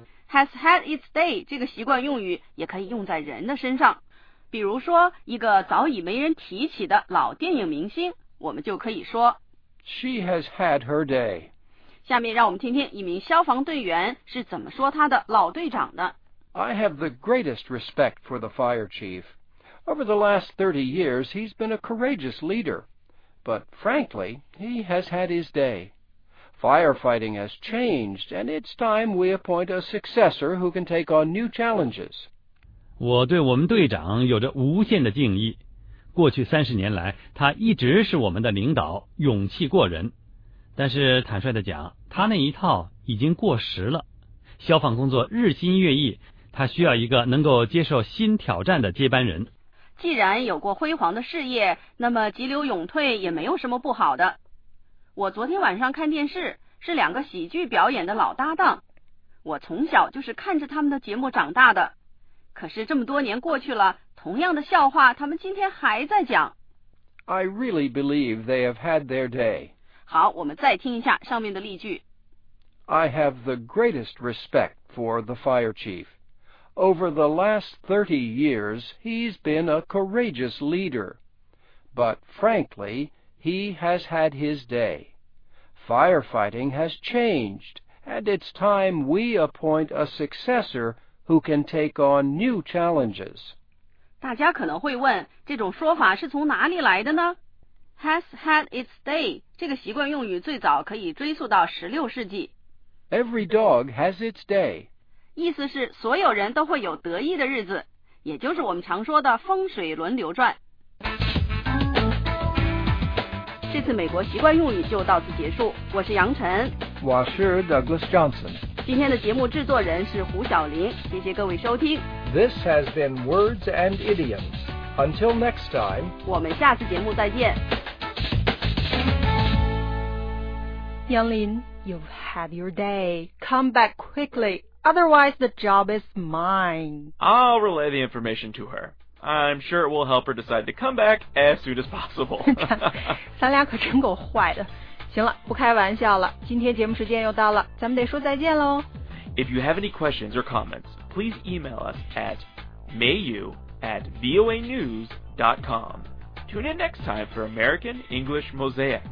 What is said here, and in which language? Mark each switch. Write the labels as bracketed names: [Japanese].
[English] Has had its day [Chinese] 这个习惯用语也可以用在人的身上，比如说一个早已没人提起的老电影明星，我们就可以说 [English] She has had her day。 [Chinese] 下面让我们听听一名消防队员是怎么说他的老队长的。 [English] I have the greatest respect for the fire chief. Over the last 30 years he's been a courageous leader. But frankly, he has had his day. Firefighting has changed, and it's time we appoint a successor who can take on new challenges. [Chinese] 我对我们队长有着无限的敬意。过去三十年来，他一直是我们的领导，勇气过人。但是坦率地讲，他那一套已经过时了。消防工作日新月异，他需要一个能够接受新挑战的接班人。既然有过辉煌的事业，那么急流勇退也没有什么不好的。我昨天晚上看电视，是两个喜剧表演的老搭档，我从小就是看着他们的节目长大的，可是这么多年过去了，同样的笑话他们今天还在讲。 [English] I really believe they have had their day. [Chinese] 好，我们再听一下上面的例句。 [English] I have the greatest respect for the fire chief. Over the last 30 years, he's been a courageous leader. But frankly,He has had his day. Firefighting has changed, and it's time we appoint a successor who can take on new challenges. [Chinese] 大家可能会问，这种说法是从哪里来的呢？ [English] Has had its day [Chinese] 这个习惯用语最早可以追溯到16世纪。 [English] Every dog has its day. [Chinese] 意思是所有人都会有得意的日子，也就是我们常说的风水轮流转。这次美国习惯用语就到此结束，我是杨晨，我是 Douglas Johnson，今天的节目制作人是胡晓玲，谢谢各位收听。 [English] This has been Words and Idioms. Until next time， [Chinese] 我们下次节目再见。 [English] 杨林， You've had your day. Come back quickly. Otherwise the job is mine. I'll relay the information to herI'm sure it will help her decide to come back as soon as possible. [Chinese] 咱俩可真够坏的。行了，不开玩笑了，今天节目时间又到了，咱们得说再见咯。 [English] If you have any questions or comments, please email us at mayu@voanews.com. Tune in next time for American English Mosaic.